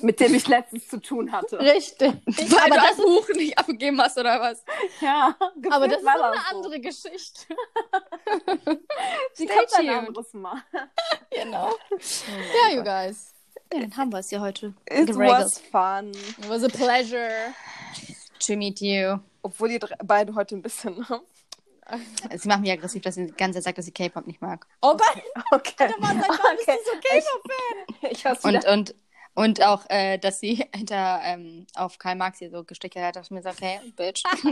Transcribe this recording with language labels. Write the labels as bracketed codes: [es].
[de] Mit dem ich letztens zu tun hatte. Richtig. Weil du das Buch nicht abgegeben hast, oder was? Ja. Aber das ist eine andere Geschichte. Die kommt ein anderes Mal. Genau. Ja, [en] you guys. [de] Ja, dann haben wir es ja heute. [en] It was fun. It was a pleasure to meet you. [de] Obwohl die beide heute ein bisschen... Sie macht mich aggressiv, dass sie die ganze Zeit sagt, dass sie K-Pop nicht mag. Oh Gott! Okay. Und dann war sie okay. So K-Pop-Fan. Ich hasse und auch, dass sie hinter auf Karl Marx hier so gestichelt hat, dass ich mir sagt, hey, Bitch.